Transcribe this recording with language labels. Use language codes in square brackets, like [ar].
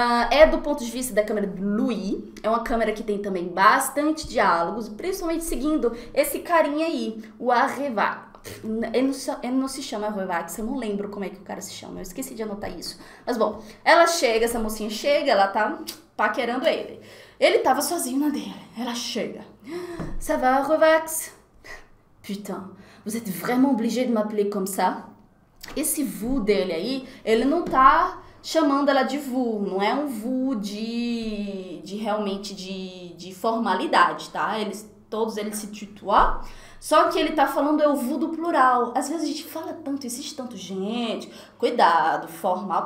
[pt] É do ponto de vista da câmera do Louis. É uma câmera que tem também bastante diálogos, principalmente seguindo esse carinha aí, o Arrevat. Ele não se chama Revax, eu não lembro como é que o cara se chama, eu esqueci de anotar isso. Mas bom, ela chega, essa mocinha chega, ela tá paquerando ele. Ele tava sozinho na dele, ela chega. [fr] Ça va, Revax? Putain, vous êtes vraiment obligé de m'appeler comme ça? [pt] Esse vous dele aí, ele não tá chamando ela de vous, não é um vous de realmente de formalidade, tá? Todos eles se tutuam. Só que ele tá falando eu vu do plural. Às vezes a gente fala tanto, insiste tanto, gente, cuidado, formal.